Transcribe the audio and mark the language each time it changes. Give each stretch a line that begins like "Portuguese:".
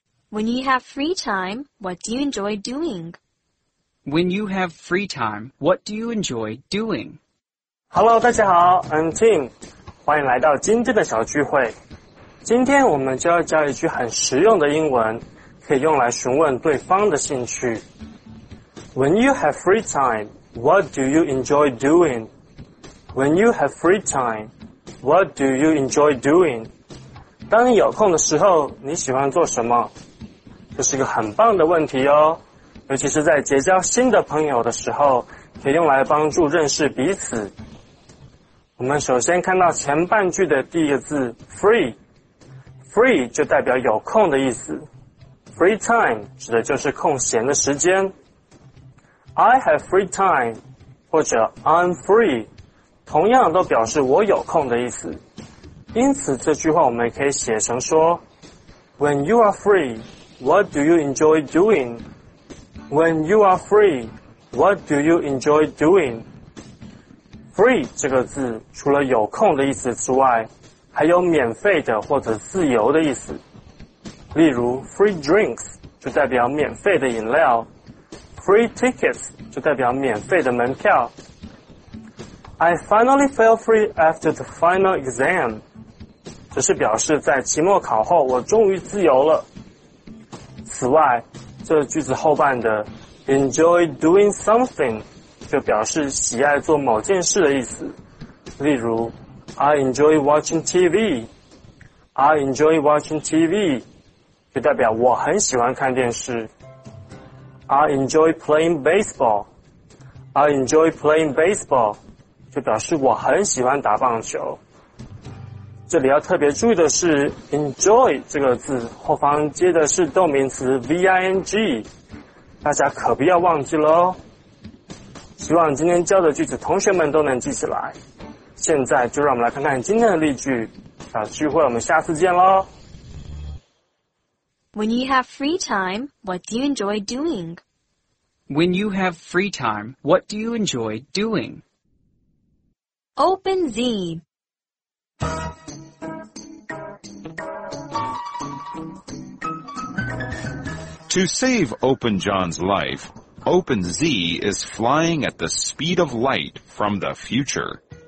English: When you have free time, what do you enjoy doing? When you have free time, what do you enjoy doing? Hello,
Chinese: 大家好
English: I'm Tim.
Chinese: 欢迎来到今天的小聚会。今天我们就要教一句很实用的英文，可以用来询问对方的兴趣。
English: When you have free time, what do you enjoy doing? When you have free time,What do you enjoy doing?
Chinese: 当你有空的时候，你喜欢做什么？这是一个很棒的问题哦，尤其是在结交新的朋友的时候，可以用来帮助认识彼此。我们首先看到前半句的第一个字 free 就代表有空的意思。 Free time 指的就是空闲的时间。
English: I have free time
Chinese: 或者
English: I'm free
Chinese: 同样都表示我有空的意思，因此这句话我们也可以写成说
English: When you are free, what do you enjoy doing? When you are free, what do you enjoy doing?
Chinese: Free 这个字除了有空的意思之外，还有免费的或者自由的意思。例如
English: free drinks
Chinese: 就代表免费的饮料，
English: free tickets
Chinese: 就代表免费的门票。
English: I finally feel free after the final exam.
Chinese: 这是表示在期末考后我终于自由了。此外，这句子后半的 enjoy doing something 就表示喜爱做某件事的意思。例如
English: I enjoy watching TV. I enjoy watching TV
Chinese: 就代表我很喜欢看电视。
English: I enjoy playing baseball. I enjoy playing baseball.
Chinese: 就表示我很喜欢打棒球。这里要特别注意的是 enjoy 这个字后方接的是动名词 ving， 大家可不要忘记了哦。希望今天教的句子同学们都能记起来。现在就让我们来看看今天的例句，小聚会我们下次见咯。
English: When you have free time, what do you enjoy doing? When you have free time, what do you enjoy doing? Open Z. To save Open John's life, Open Z is flying at the speed of light from the future.